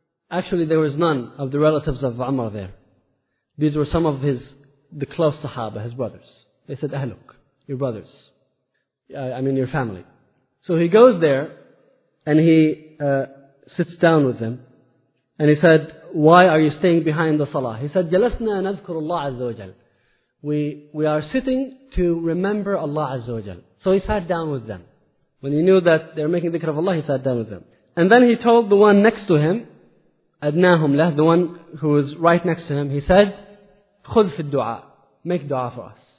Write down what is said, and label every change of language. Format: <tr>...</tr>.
<en>Actually, there was none of the relatives of Umar there. These were some of the close sahaba, his brothers. They said, أهلك, your brothers. I mean, your family. So he goes there and he sits down with them. And he said, why are you staying behind the salah? He said,</en> <ar>جَلَسْنَا نَذْكُرُ اللَّهَ عَزَّ وَجَلَ.</ar> <en>We are sitting to remember Allah Azza wa Jal. So he sat down with them. When he knew that they were making dhikr of Allah, he sat down with them. And then he told the one next to him,</en> <ar>أَدْنَاهُمْ لَهُ,</ar> <en>the one who was right next to him, he said,</en> <ar>خُذْ فِي الدُّعَى,</ar> <en>make dua for us.</en>